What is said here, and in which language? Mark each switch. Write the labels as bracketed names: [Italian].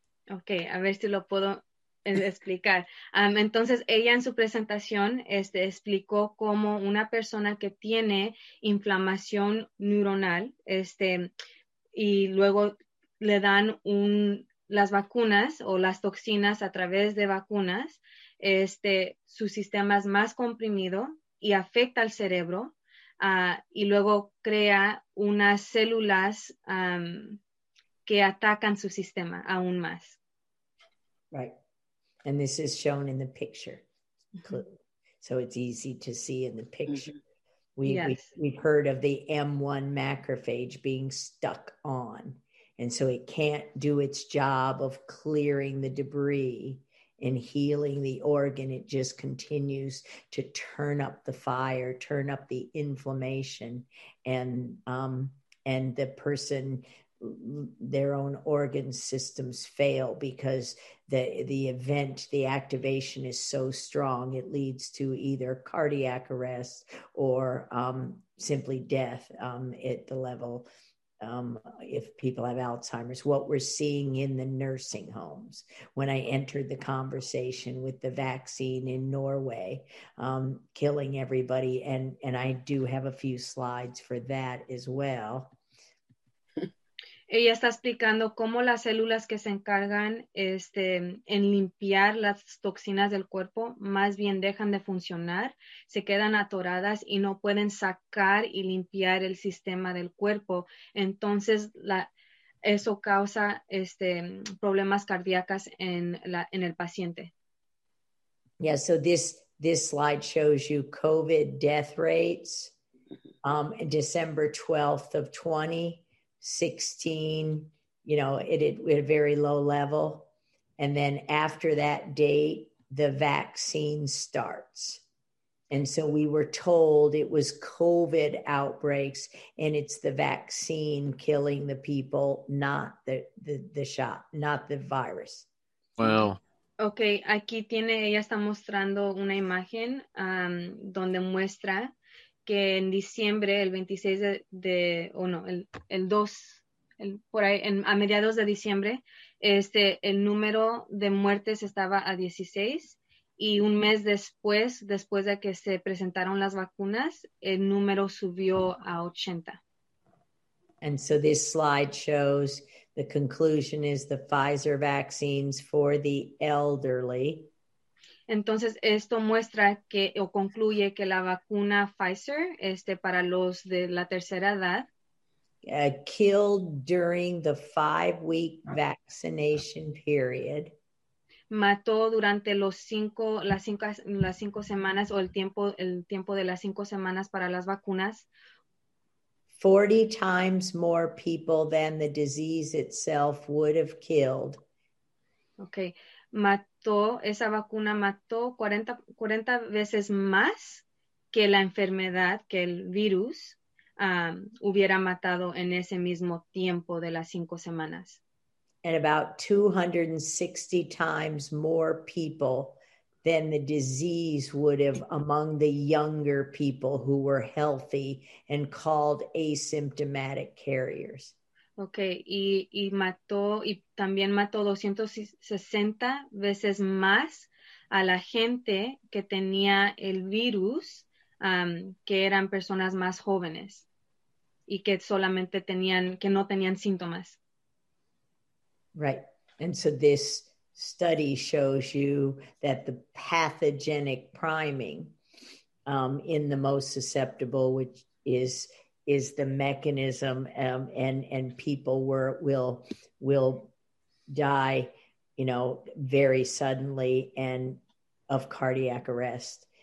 [Spanish] Okay, a ver si lo puedo explicar. Entonces, ella en su presentación explicó cómo una persona que tiene inflamación neuronal y luego le dan las vacunas o las toxinas a través de vacunas, su sistema es más comprimido y afecta al cerebro y luego crea unas células que atacan su sistema aún más. [English] Right. And this is shown in the picture. Mm-hmm. So it's easy to see in the picture. Mm-hmm. We've heard of the M1 macrophage being stuck on. And so it can't do its job of clearing the debris and healing the organ. It just continues to turn up the fire, turn up the inflammation, and the person, their own organ systems fail because the event, the activation is so strong, it leads to either cardiac arrest or simply death at the level if people have Alzheimer's. What we're seeing in the nursing homes, when I entered the conversation with the vaccine in Norway, killing everybody, and I do have a few slides for that as well. [Spanish] Ella está explicando cómo las células que se encargan en limpiar las toxinas del cuerpo más bien dejan de funcionar, se quedan atoradas y no pueden sacar y limpiar el sistema del cuerpo. Entonces, eso causa problemas cardíacos en el paciente. [English] Yeah, so this slide shows you COVID death rates December 12th of 20. 16, at a very low level. And then after that date, the vaccine starts. And so we were told it was COVID outbreaks and it's the vaccine killing the people, not the shot, not the virus. Wow. [Spanish] Okay, aquí tiene, ella está mostrando una imagen donde muestra que en diciembre, el 26 a mediados de diciembre, el número de muertes estaba a 16, y un mes después de que se presentaron las vacunas, el número subió a 80. [English] And so this slide shows the conclusion is the Pfizer vaccines for the elderly. [Spanish] Entonces, esto muestra que o concluye que la vacuna Pfizer para los de la tercera edad [English] killed during the 5-week vaccination period. [Spanish] Mató durante las cinco semanas o el tiempo de las cinco semanas para las vacunas. [English] 40 times more people than the disease itself would have killed. Okay. [Spanish] Esa vacuna mató 40 veces más que la enfermedad, que el virus hubiera matado en ese mismo tiempo de las cinco semanas. [English] And about 260 times more people than the disease would have among the younger people who were healthy and called asymptomatic carriers. [Spanish] Okay, y mató y también mató 260 veces más a la gente que tenía el virus, que eran personas más jóvenes y que solamente tenían, que no tenían síntomas. [English] Right. And so this study shows you that the pathogenic priming in the most susceptible, which is the mechanism, and people were will die, you know, very suddenly and of cardiac arrest.